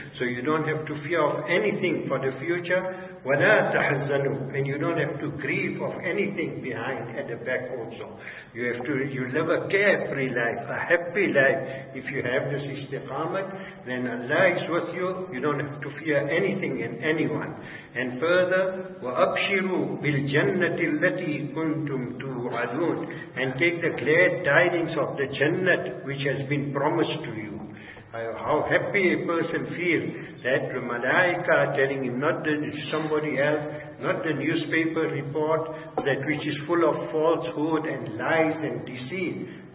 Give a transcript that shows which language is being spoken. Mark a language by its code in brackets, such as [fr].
[en] So you don't have to fear of anything for the future. [ar] وَلَا تَحْزَنُوا. [en] And you don't have to grieve of anything behind at the back also. You have to, you live a carefree life, a happy life. If you have this istiqamah, then Allah is with you. You don't have to fear anything and anyone. And further, [ar] وَأَبْشِرُوا بِالْجَنَّةِ الَّتِي كُنْتُمْ تُوْعَدُونَ. [en] And take the glad tidings of the jannat which has been promised to you. How happy a person feels that the malaika are telling him, not the somebody else, not the newspaper report, that which is full of falsehood and lies and deceit.